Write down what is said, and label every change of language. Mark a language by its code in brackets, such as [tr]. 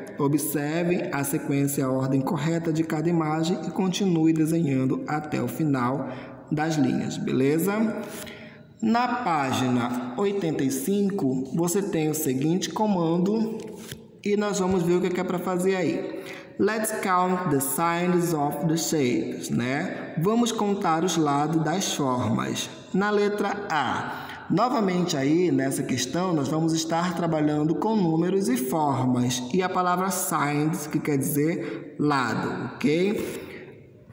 [pt] Observe a sequência, a ordem correta de cada imagem e continue desenhando até o final das linhas, beleza? Na página 85, você tem o seguinte comando e nós vamos ver o que é para fazer aí. [en] Let's count the sides of the shapes, né? [pt] Vamos contar os lados das formas. Na letra A. Novamente aí, nessa questão, nós vamos estar trabalhando com números e formas. E a palavra sides, que quer dizer lado, ok?